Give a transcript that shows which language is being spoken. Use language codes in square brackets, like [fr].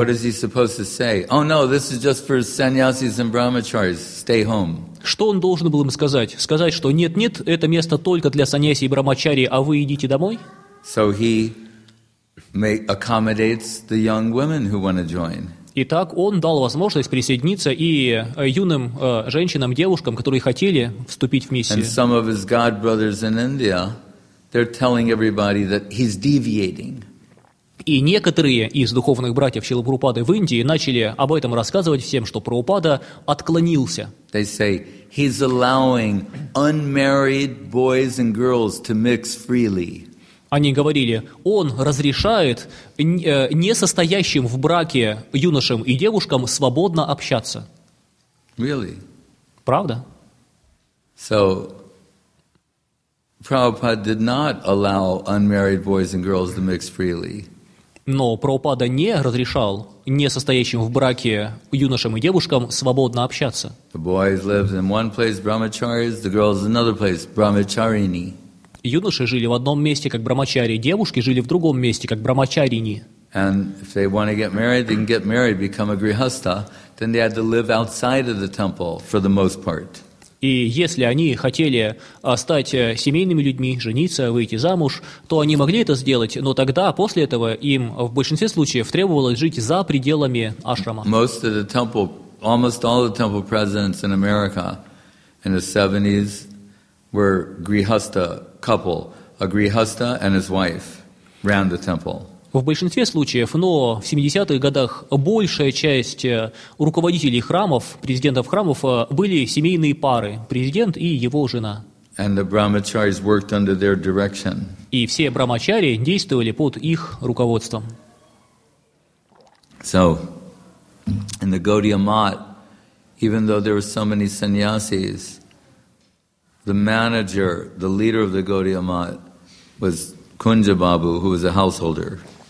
[en] What is he supposed to say? Oh no, this is just for sannyasis and brahmacharis, stay home. [ru] Что он должен был им сказать? Сказать, что нет-нет, это место только для саньяси и брамачари, а вы идите домой? [en] So he accommodates the young women who want to join. [ru] Итак, он дал возможность присоединиться и юным женщинам, девушкам, которые хотели вступить в миссию. [en] And some of his god brothers in India, they're telling everybody that he's deviating. [ru] И некоторые из духовных братьев Шрилы Прабхупады в Индии начали об этом рассказывать всем, что Прабхупада отклонился. [en] They say he's allowing unmarried boys and girls to mix freely. [ru] Они говорили, он разрешает несостоящим в браке юношам и девушкам свободно общаться. [en] Really? [ru] Правда? [en] So, Prabhupada did not allow unmarried boys and girls to mix freely. [ru] Но Прабхупада не разрешал несостоящим в браке юношам и девушкам свободно общаться. [en] The boys lived in one place, brahmacharis, the girls in another place, brahmacharini. [ru] Юноши жили в одном месте, как брамачари, девушки жили в другом месте, как брамачарини. [en] And if they want to get married, they can get married, become a grihastha. Then they had to live outside of the temple for the most part. [ru] И если они хотели стать семейными людьми, жениться, выйти замуж, то они могли это сделать, но тогда, после этого, им в большинстве случаев требовалось жить за пределами ашрама. [en] Most of the temple, almost all the temple presidents in America in the 70s were grihastha. Couple, a grihastha and his wife, ran the temple. [ru] В большинстве случаев, но в 70-х годах большая часть руководителей храмов, президентов храмов, были семейные пары, президент и его жена. [en] And the brahmacharis worked under their direction. [ru] И все брамачари действовали под их руководством. [en] So, in the Gaudiya Math, even though there were so many sannyasis, the manager, the leader of the Gaudiya Math, was Kunja Babu, who was a householder.